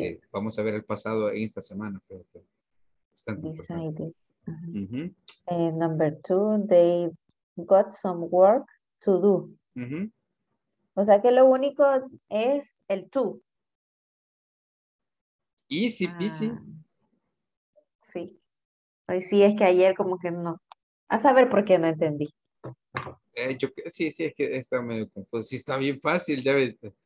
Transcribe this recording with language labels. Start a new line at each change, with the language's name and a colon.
Spanish: Vamos a ver el pasado en esta semana.
English: Decided. Uh-huh. And number two, they got some work to do. Uh-huh.
Spanish: O sea que lo único es el to.
English: Easy peasy.
Spanish: Sí. Ay, sí, es que ayer como que no. A saber por qué no entendí. Sí, es que está medio confuso. Sí, está bien fácil, ya ves.